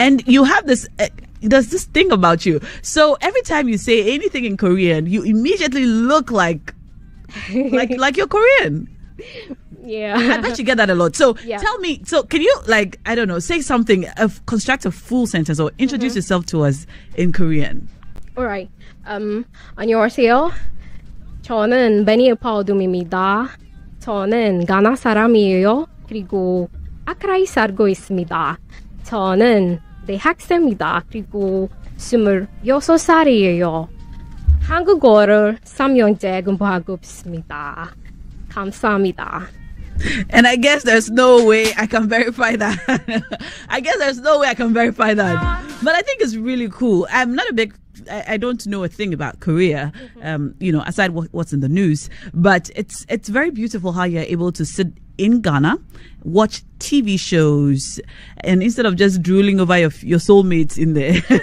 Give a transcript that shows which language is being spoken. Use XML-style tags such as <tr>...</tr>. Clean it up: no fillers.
<en>And you have this, there's this thing about you. So every time you say anything in Korean, you immediately look like you're Korean. Yeah. I bet you get that a lot. So yeah. Tell me, so can you, like, I don't know, say something, construct a full sentence or introduce mm-hmm. yourself to us in Korean. All right. Annyeonghaseyo.</en> <ko>저는 베니에파오 둠입니다. 저는 가나 사람이에요. 그리고 아크라이 살고 있습니다. 저는 대학생입니다. 그리고 26살이에요. 한국어를 3년째 공부하고 있습니다. 감사합니다.</ko> <en>And I guess there's no way I can verify that. But I think it's really cool. I'm not a big, I don't know a thing about Korea, mm-hmm. You know, aside what's in the news. But it's very beautiful how you're able to sit in Ghana, watch TV shows, and instead of just drooling over your soulmates in there.</en>